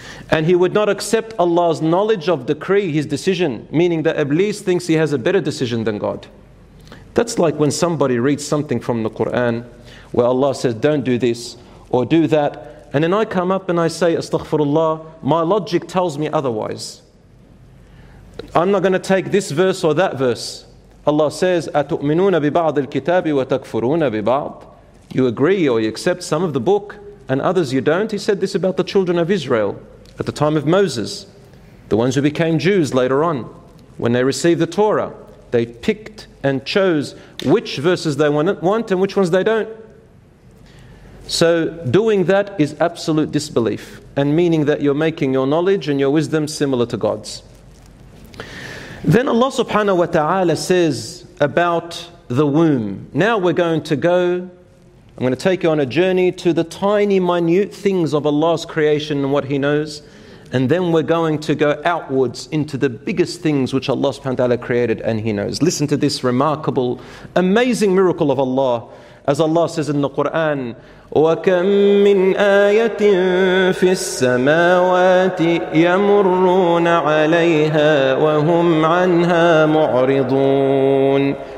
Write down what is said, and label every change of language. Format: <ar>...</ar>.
<en>And he would not accept Allah's knowledge of decree, his decision, meaning that Iblis thinks he has a better decision than God. That's like when somebody reads something from the Quran where Allah says, don't do this or do that. And then I come up and I say, Astaghfirullah, my logic tells me otherwise. I'm not going to take this verse or that verse. Allah says,</en> <ar>أَتُؤْمِنُونَ بِبَعْضِ الْكِتَابِ وَتَكْفُرُونَ بِبَعْضِ.</ar> <en>You agree or you accept some of the book and others you don't. He said this about the children of Israel at the time of Moses, the ones who became Jews later on. When they received the Torah, they picked and chose which verses they want and which ones they don't. So doing that is absolute disbelief, and meaning that you're making your knowledge and your wisdom similar to God's. Then Allah subhanahu wa ta'ala says about the womb. Now we're going to go, I'm going to take you on a journey to the tiny minute things of Allah's creation and what He knows. And then we're going to go outwards into the biggest things which Allah subhanahu wa ta'ala created and He knows. Listen to this remarkable, amazing miracle of Allah. As Allah says in the Quran,</en> <ar>وَكَمْ مِنْ آيَةٍ فِي السَّمَاوَاتِ يَمُرُّونَ عَلَيْهَا وَهُمْ عَنْهَا مُعْرِضُونَ.</ar>